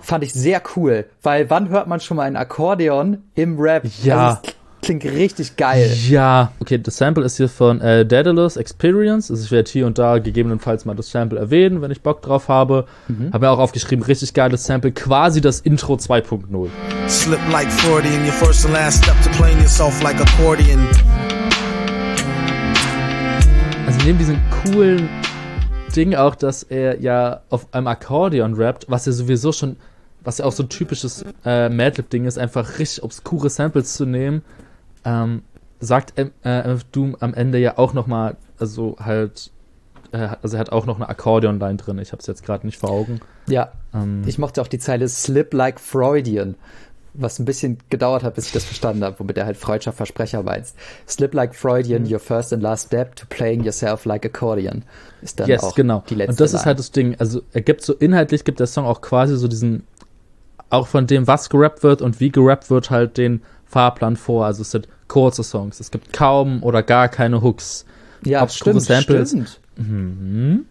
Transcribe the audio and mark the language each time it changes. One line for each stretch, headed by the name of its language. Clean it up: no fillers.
German: Fand ich sehr cool, weil wann hört man schon mal ein Akkordeon im Rap? Ja. Also, klingt richtig geil. Ja. Okay, das Sample ist hier von Daedalus Experience. Also ich werde hier und da gegebenenfalls mal das Sample erwähnen, wenn ich Bock drauf habe. Mhm. Hab mir auch aufgeschrieben, richtig geiles Sample, quasi das Intro 2.0.
English: Slip like 40 in your first and last step to playing yourself like accordion.
German: Also neben diesen coolen Ding auch, dass er ja auf einem Akkordeon rappt, was ja sowieso schon, was ja auch so ein typisches Madlib-Ding ist, einfach richtig obskure Samples zu nehmen, sagt MF Doom am Ende ja auch nochmal, also halt, also er hat auch noch eine Akkordeon-Line drin, ich hab's jetzt gerade nicht vor Augen. Ja, ich mochte auch die Zeile
English: Slip like Freudian,
German: was ein bisschen gedauert hat, bis ich das verstanden habe, womit er halt Freudscher Versprecher meinst.
English: Slip like Freudian, your first and last step to playing yourself like accordion.
German: Ist dann yes, auch genau. Die letzte. Und das Line. Ist halt das Ding, also er gibt so, inhaltlich gibt der Song auch quasi so diesen, auch von dem, was gerappt wird und wie gerappt wird, halt den Fahrplan vor. Also es sind kurze Songs, es gibt kaum oder gar keine Hooks. Ja, stimmt, Samples. Stimmt. Mhm.